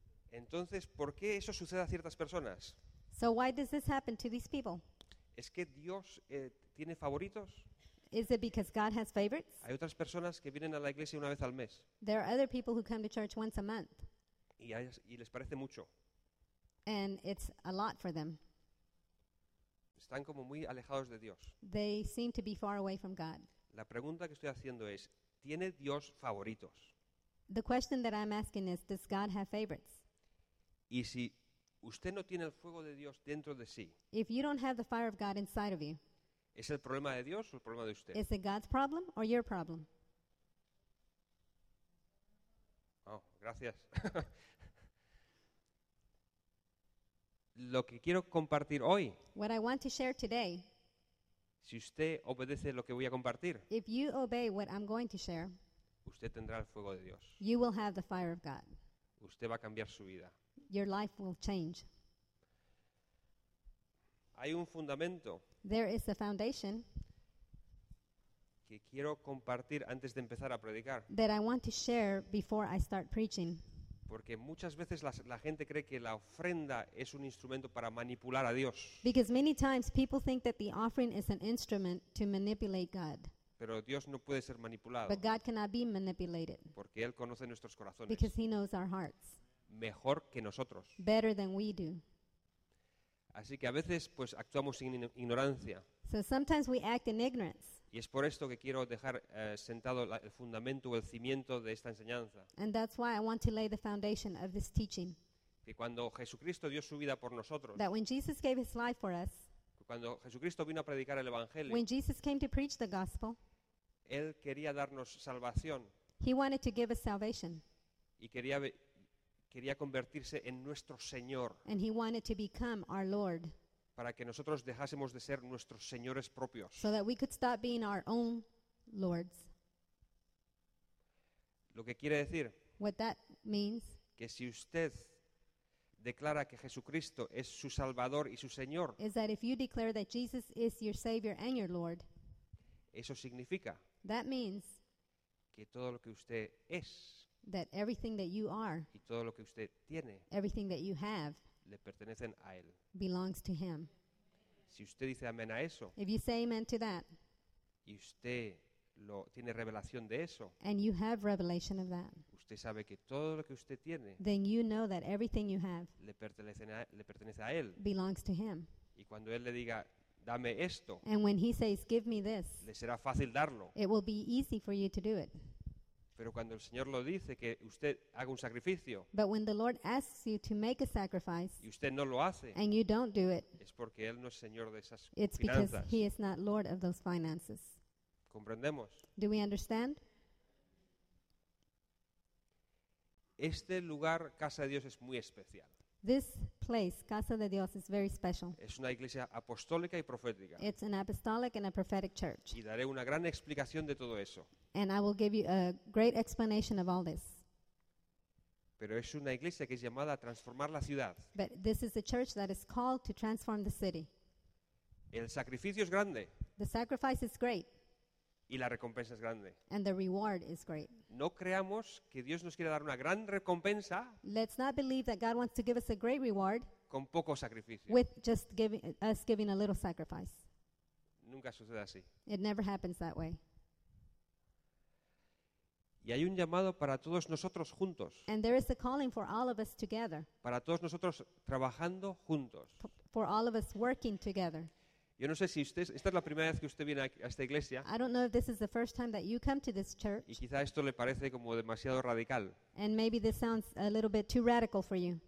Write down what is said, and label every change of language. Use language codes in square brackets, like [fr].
[es] Entonces, ¿por qué eso sucede a ciertas personas? [en] So why does this happen to these people? [es] ¿Es que Dios tiene favoritos? [en] Is it because God has favorites? [es] Hay otras personas que vienen a la iglesia una vez al mes. [en] There are other people who come to church once a month. [es] Y les parece mucho. [en] And it's a lot for them. [es] Están como muy alejados de Dios. [en] They seem to be far away from God. [es] La pregunta que estoy haciendo es, ¿tiene Dios favoritos? [en] The question that I'm asking is, does God have favorites? [es] Y si usted no tiene el fuego de Dios dentro de sí. [en] If you don't have the fire of God inside of you. [es] ¿Es el problema de Dios o el problema de usted? [en] Is it God's problem or your problem? [es] Oh, gracias. Lo que quiero compartir hoy. [en] What I want to share today. [es] Si usted obedece lo que voy a compartir. [en] If you obey what I'm going to share. [es] Usted tendrá el fuego de Dios. [en] You will have the fire of God. [es] Usted va a cambiar su vida. [en] Your life will change. [es] Hay un fundamento. [en] There is a foundation. [es] Que quiero compartir antes de empezar a predicar. [en] That I want to share before I start preaching. [es] Porque muchas veces la gente cree que la ofrenda es un instrumento para manipular a Dios. [en] Because many times people think that the offering is an instrument to manipulate God. [es] Pero Dios no puede ser manipulado. [en] But God cannot be manipulated. [es] Porque Él conoce nuestros corazones. [en] Because He knows our hearts. [es] Mejor que nosotros. [en] Better than we do. [es] Así que a veces pues actuamos en ignorancia. [en] So sometimes we act in ignorance. [es] Y es por esto que quiero dejar sentado el fundamento o el cimiento de esta enseñanza. [en] And that's why I want to lay the foundation of this teaching. [es] Que cuando Jesucristo dio su vida por nosotros. [en] That when Jesus gave his life for us. [es] Cuando Jesucristo vino a predicar el evangelio. [en] When Jesus came to preach the gospel. [es] Él quería darnos salvación. [en] He wanted to give us salvation. [es] Y quería convertirse en nuestro Señor. [en] And he wanted to become our Lord. [es] Para que nosotros dejásemos de ser nuestros señores propios. [en] So that we could stop being our own lords. [es] Lo que quiere decir, [en] what that means, [es] que si usted declara que Jesucristo es su Salvador y su Señor, [en] is that if you declare that Jesus is your Savior and your Lord, [es] eso significa, [en] that means, [es] que todo lo que usted es, [en] that everything that you are, [es] y todo lo que usted tiene, [en] everything that you have, [es] le pertenecen a él, [en] belongs to him. [es] Si usted dice amén a eso, [en] if you say amen to that, [es] y usted lo tiene revelación de eso, [en] and you have revelation of that, [es] usted sabe que todo lo que usted tiene, [en] then you know that everything you have, [es] le pertenece a él, [en] belongs to him. [es] Y cuando él le diga dame esto, [en] and when he says give me this, [es] le será fácil darlo, [en] it will be easy for you to do it. [es] Pero cuando el Señor lo dice que usted haga un sacrificio, [en] but when the Lord asks you to make a sacrifice, [es] y usted no lo hace, [en] and you don't do it, [es] es porque él no es señor de esas finanzas. [en] It's because he is not Lord of those finances. [es] ¿Comprendemos? [en] Do we understand? [es] Este lugar, Casa de Dios, es muy especial. [en] This place, Casa de Dios, is very special. [es] Es una iglesia apostólica y profética. [en] It's an apostolic and a prophetic church. [es] Y daré una gran explicación de todo eso. [en] And I will give you a great explanation of all this. [es] Pero es una iglesia que es llamada a transformar la ciudad. [en] But this is a church that is called to transform the city. [es] El sacrificio es grande. [en] The sacrifice is great. [es] Y la recompensa es grande. [en] And the reward is great. [es] No creamos que Dios nos quiere dar una gran recompensa. [en] Let's not believe that God wants to give us a great reward. [es] Con poco sacrificio. [en] With just giving a little sacrifice. [es] Nunca sucede así. [en] It never happens that way. [es] Y hay un llamado para todos nosotros juntos. [en] And there is a calling for all of us together. [es] Para todos nosotros trabajando juntos. [en] For all of us working together. [es] Yo no sé si usted, esta es la primera vez que usted viene a esta iglesia. [en] I don't know if this is the first time that you come to this church. [es] Y quizá esto le parece como demasiado radical. [en] And maybe this sounds a little bit too radical for you.